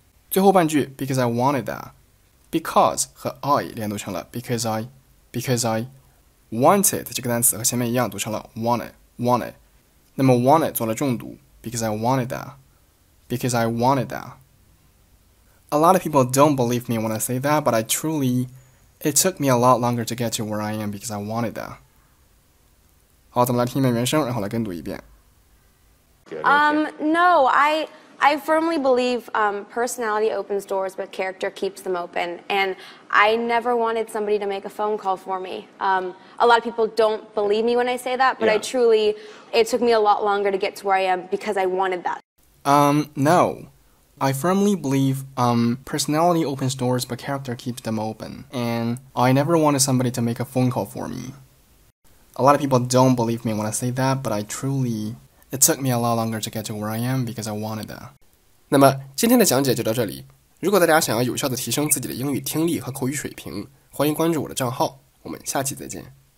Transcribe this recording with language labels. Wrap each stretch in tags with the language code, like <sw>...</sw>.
<zh>最后半句</zh> <en>because I wanted that，</en> <zh>because 和 I 连读成了</zh> <en>because I wanted</en> <zh>这个单词和前面一样读成了 wanted， 那么 wanted 做了重读 because I wanted that。</zh> <en>A lot of people don't believe me when I say that, but I truly, it took me a lot longer to get to where I am because I wanted that.</en> <zh>好，咱们来听一遍原声，然后来跟读一遍。</zh> <en>No, I firmly believe personality opens doors, but character keeps them open. And I never wanted somebody to make a phone call for me. A lot of people don't believe me when I say that, but yeah. I truly, it took me a lot longer to get to where I am because I wanted that. No. I firmly believe personality opens doors, but character keeps them open. And I never wanted somebody to make a phone call for me. A lot of people don't believe me when I say that, but I truly... It took me a lot longer to get to where I am because I wanted that.</en> <zh>那么今天的讲解就到这里。如果大家想要有效地提升自己的英语听力和口语水平，欢迎关注我的账号，我们下期再见。</zh>